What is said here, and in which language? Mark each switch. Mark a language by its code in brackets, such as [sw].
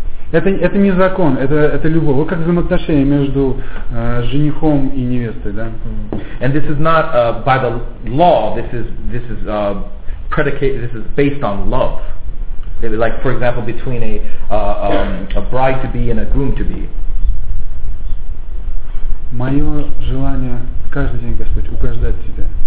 [ru] Это не закон, это любовь. Вот как взаимоотношения между женихом и невестой, да? [en] And this is not by the law. This is predicated. This is based on love. Maybe like, for example, between a bride to be and a groom to be. [ru] Мое желание каждый день, Господь, угождать тебе.